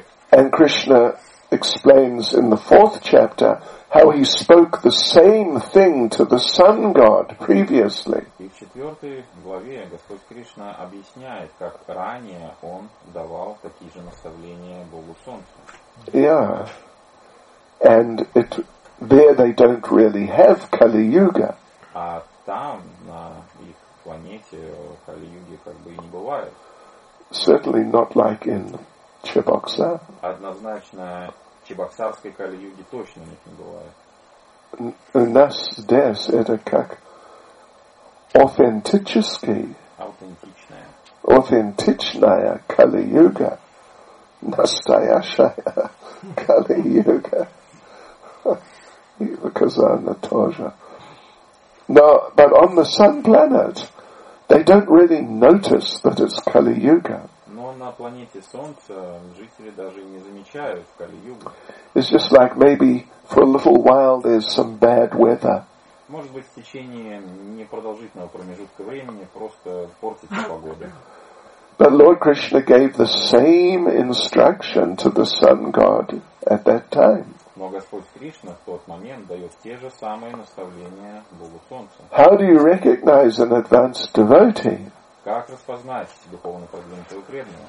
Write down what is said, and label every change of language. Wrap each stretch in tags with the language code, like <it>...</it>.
<en>And Krishna explains in the fourth chapter how he spoke the same thing to the sun god previously.</en> <ru>И в четвертой главе Господь Кришна объясняет, как ранее он давал такие же наставления Богу Солнцу.</ru> <en>Yeah. And it there they don't really have Kali Yuga.</en> <ru>А там, на их планете, Kali Yuga как бы и не бывает.</ru> <en>Certainly not like in Чебоксар.</en> <ru>Однозначно, чебоксарской кали-юги точно не бывает. У нас здесь это как аутентический. Аутентичная. Аутентичная кали-юга. Настоящая кали-юга. И в Казани тоже.</ru> <en>Now, but on the sun planet, they don't really notice that it's кали-юга.</en> <ru>Но на планете Солнца жители даже и не замечают Кали-Югу.</ru> <en>It's just like maybe for a little while there's some bad weather.</en> <ru>Может быть, в течение непродолжительного промежутка времени просто портится погода.</ru> <en>But Lord Krishna gave the same instruction to the sun god at that time.</en> <ru>Но Господь Кришна в тот момент дает те же самые наставления Богу Солнцу.</ru> <en>How do you recognize an advanced devotee?</en> <ru>Как распознать духовно продвинутого преданного?</ru>